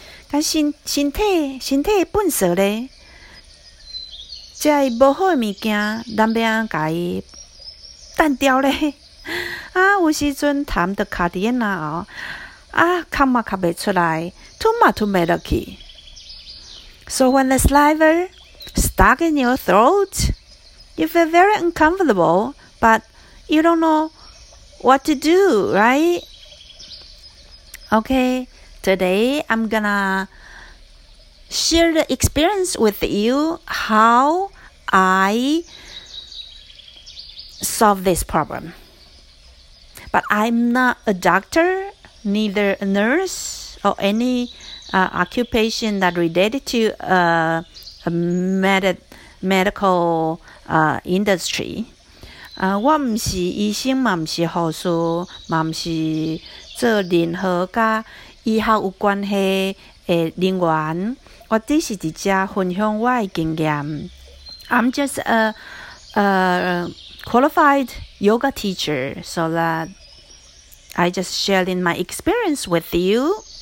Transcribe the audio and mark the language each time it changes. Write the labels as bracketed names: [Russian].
[Min Nan Chinese] 但身体的垃圾咧，即个无好的物件，咱要安甲伊扔掉咧。有时阵痰都卡伫个喉咙，咳嘛咳袂出来，吞嘛吞袂落去。 [English] So when the saliva stuck in your throat, you feel very uncomfortable, but you don't know what to do, right? Okay, today I'm gonna share the experience with you how I solve this problem. But I'm not a doctor, neither a nurse, or any occupation that related to medical industry. [Min Nan Chinese] 我唔是医生，嘛唔是护士，嘛唔是做任何甲医学有关系诶人员。我只是伫遮分享我诶经验。 [English] I'm just a qualified yoga teacher, so that I just sharing my experience with you.